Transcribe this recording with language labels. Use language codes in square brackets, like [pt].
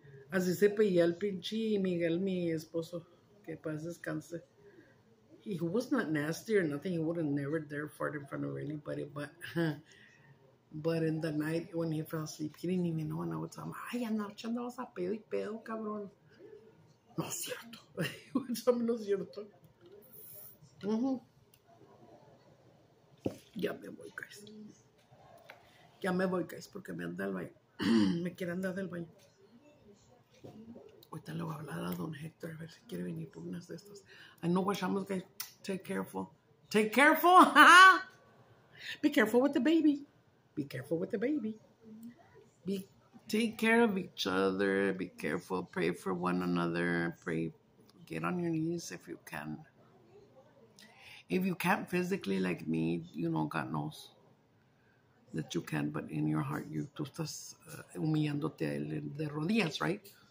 [es] Así se pilló el pinche Miguel, mi esposo. Que paz descanse. [en] He was not nasty or nothing. He would have never dare fart in front of anybody. But in the night when he fell asleep, he didn't even know when I would tell him, [es] ay, anoche andabas a pedo y pedo, cabrón. No es cierto. [en] He would tell me [es] no es cierto. Ya me voy, guys. Ya me voy, guys, porque me anda al baño. Me quiere andar del baño. Ahorita le voy a hablar a don Héctor a ver si quiere venir por unas de estas. [en] I know what I'm going to say. Take careful. Take careful. Be careful with the baby. Be careful with the baby. Be take care of each other, be careful, pray for one another, pray, get on your knees if you can. If you can't physically, like me, you know, God knows that you can, but in your heart, you [es] tú estás humillándote de rodillas, [en] right?